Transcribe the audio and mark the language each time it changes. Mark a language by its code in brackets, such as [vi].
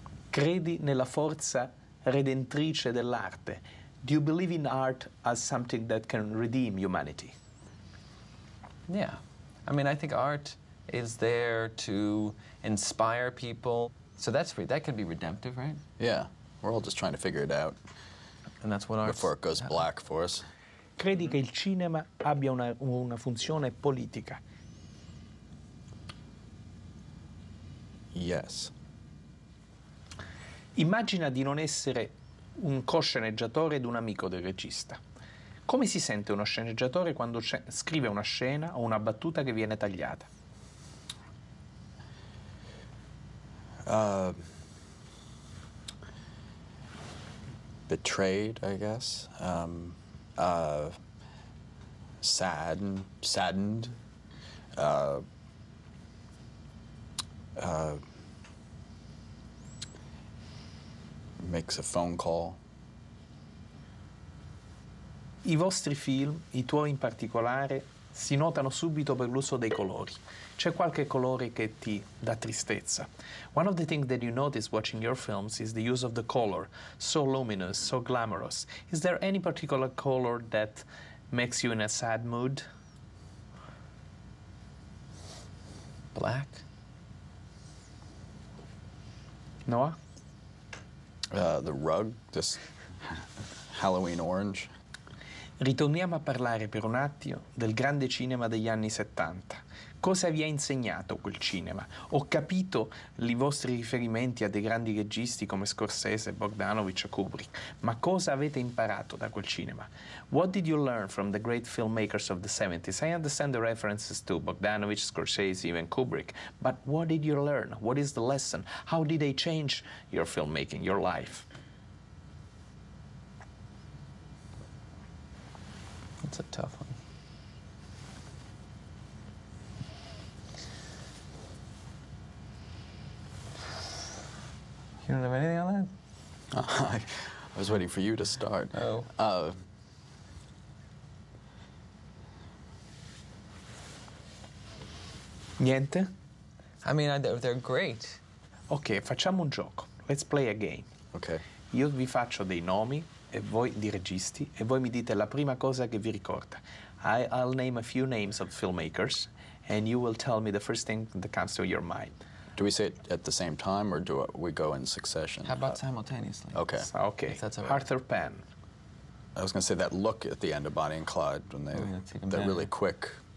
[it] Credi nella forza redentrice dell'arte. [en] Do you believe in art as something that can redeem humanity? Yeah. I mean, I think art is there to inspire people. So that's that can be redemptive, right? Yeah. We're all just trying to figure it out. And that's what art's before it goes black for us. [it] Credi che il cinema abbia una funzione politica? [en] Yes. [it] Immagina di non essere un co-sceneggiatore ed un amico del regista. Come si sente uno sceneggiatore quando scrive una scena o una battuta che viene tagliata? [en] Betrayed, I guess. Saddened. Makes a phone call. [it] I vostri film, i tuoi in particolare, si notano subito per l'uso dei colori. C'è qualche colore che ti dà tristezza. [en] One of the things that you notice watching your films is the use of the color, so luminous, so glamorous. Is there any particular color that makes you in a sad mood? Black? Noah? The rug, this Halloween orange. [it] Ritorniamo a parlare per un attimo del grande cinema degli anni 70. Cosa vi ha insegnato quel cinema? Ho capito i vostri riferimenti a dei grandi registi come Scorsese, Bogdanovich o Kubrick, ma cosa avete imparato da quel cinema? [en] What did you learn from the great filmmakers of the 70s? I understand the references to Bogdanovich, Scorsese, even Kubrick, but what did you learn? What is the lesson? How did they change your filmmaking, your life? It's a tough one. You don't have anything on that? I was waiting for you to start. Oh. [it] Niente? [en] I mean, they're great. Okay, [it] facciamo un gioco. [en] Let's play a game. Okay. [it] Io vi faccio dei nomi. E voi di registi e voi mi dite la prima cosa che vi ricorda. [en] I'll name a few names of filmmakers and you will tell me the first thing that comes to your mind. Do we say it at the same time or do we go in succession? How about simultaneously? Okay. Okay. That's right. Arthur Penn. I was going to say that look at the end of Bonnie and Clyde when they they're really quick.